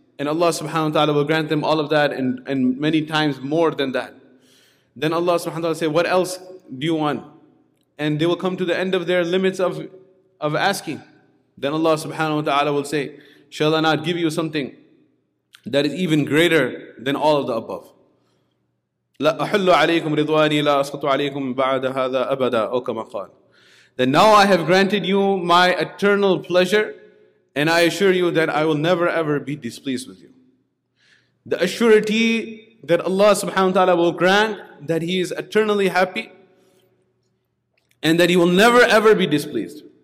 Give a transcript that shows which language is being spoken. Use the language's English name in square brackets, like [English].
[English] And Allah subhanahu wa ta'ala will grant them all of that and many times more than that. Then Allah subhanahu wa ta'ala will say, what else do you want? And they will come to the end of their limits of asking. Then Allah subhanahu wa ta'ala will say, shall I not give you something that is even greater than all of the above? [Arabic] لا أحل عليكم رضواني لا أسقط عليكم بعد هذا أبدا أو كما قال. [English] Then now I have granted you my eternal pleasure and I assure you that I will never ever be displeased with you. The assurity that Allah subhanahu wa ta'ala will grant that He is eternally happy and that He will never ever be displeased.